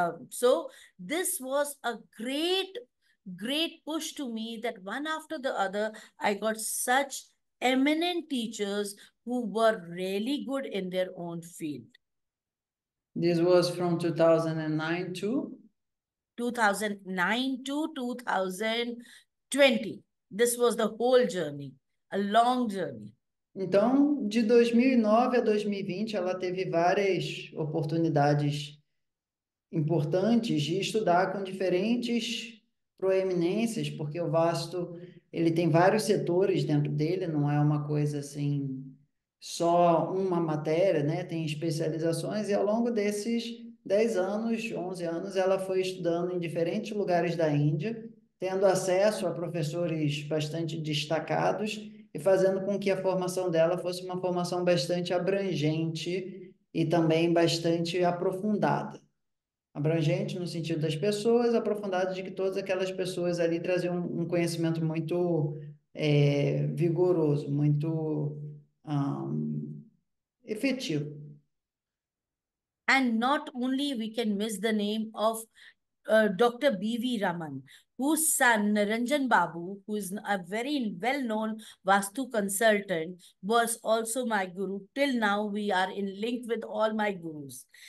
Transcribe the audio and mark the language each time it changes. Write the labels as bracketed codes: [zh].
[en] So this was a great push to me, that one after the other, I got such eminent teachers who were really good in their own field. This was from 2009 to? 2009 to 2020. This was the whole journey, a long journey. [pt] Então, de 2009 a 2020, ela teve várias oportunidades importantes de estudar com diferentes proeminências, porque o Vastu, ele tem vários setores dentro dele, não é uma coisa assim, só uma matéria, né? Tem especializações, e ao longo desses 10 anos, 11 anos, ela foi estudando em diferentes lugares da Índia, tendo acesso a professores bastante destacados e fazendo com que a formação dela fosse uma formação bastante abrangente e também bastante aprofundada. Abrangente no sentido das pessoas, aprofundado de que todas aquelas pessoas ali traziam um conhecimento muito vigoroso, muito efetivo. [en] And not only we can miss the name of Dr. B.V. Raman, whose son Niranjan Babu, who is a very well-known Vastu consultant, was also my guru. Till now, we are in link with all my gurus.